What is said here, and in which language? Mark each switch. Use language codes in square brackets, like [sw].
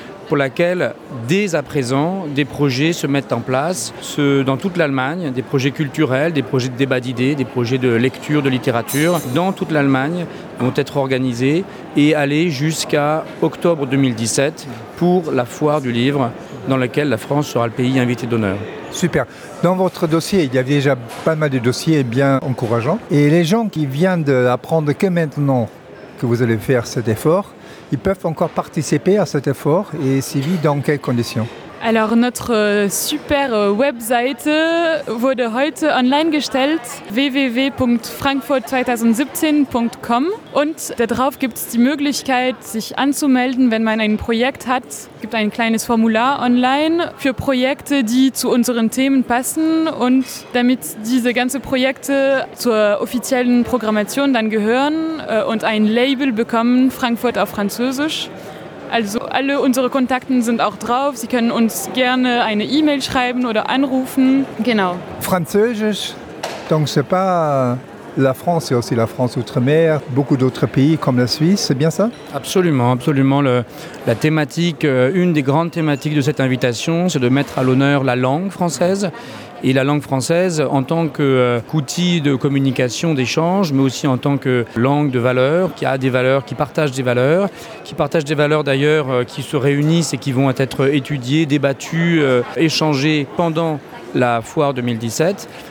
[fr] pour laquelle, dès à présent, des projets se mettent en place dans toute l'Allemagne, des projets culturels, des projets de débat d'idées, des projets de lecture, de littérature, dans toute l'Allemagne, vont être organisés et aller jusqu'à octobre 2017 pour la Foire du Livre, dans laquelle la France sera le pays invité d'honneur. Super. Dans votre dossier, il y a déjà pas mal de dossiers bien encourageants. Et les gens qui viennent d'apprendre que maintenant que vous allez faire cet effort, ils peuvent encore participer à cet effort et s'y vivre dans quelles conditions? Alors notre super [de] Webseite wurde heute online gestellt, www.frankfurt2017.com. Und darauf gibt es die Möglichkeit, sich anzumelden, wenn man ein Projekt hat. Es gibt ein kleines Formular online für Projekte, die zu unseren Themen passen. Und damit diese ganzen Projekte zur offiziellen Programmation dann gehören und ein Label bekommen, Frankfurt auf Französisch. Also alle unsere Kontakte sind auch drauf. Sie können uns gerne eine E-Mail schreiben oder anrufen. Genau. Französisch, [fr] donc c'est pas la France, c'est aussi la France outre-mer, beaucoup d'autres pays comme la Suisse, c'est bien ça? Absolument, absolument. La thématique, une des grandes thématiques de cette invitation, c'est de mettre à l'honneur la langue française. Et la langue française, en tant qu'outil de communication, d'échange, mais aussi en tant que langue de valeur, qui a des valeurs, qui partage des valeurs d'ailleurs, qui se réunissent et qui vont être étudiées, débattues, échangées pendant la Foire 2017.